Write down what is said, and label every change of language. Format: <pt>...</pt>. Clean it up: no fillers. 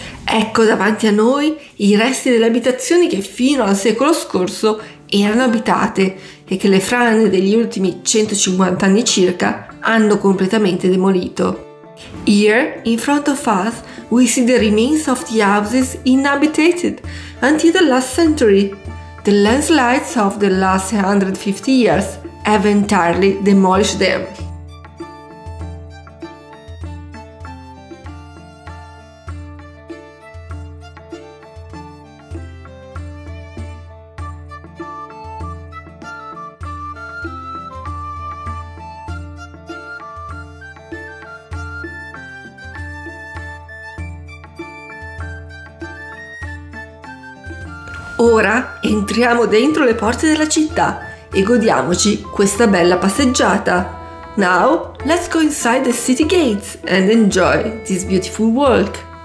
<it>Ecco davanti a noi i resti delle abitazioni che fino al secolo scorso erano abitate e che le frane degli ultimi 150 anni circa hanno completamente demolito.</it> <en>Here, in front of us, we see the remains of the houses inhabited until the last century. The landslides of the last 150 years have entirely demolished them.</en> <it>Ora entriamo dentro le porte della città e godiamoci questa bella passeggiata.</it> <en>Now, let's go inside the city gates and enjoy this beautiful walk.</en>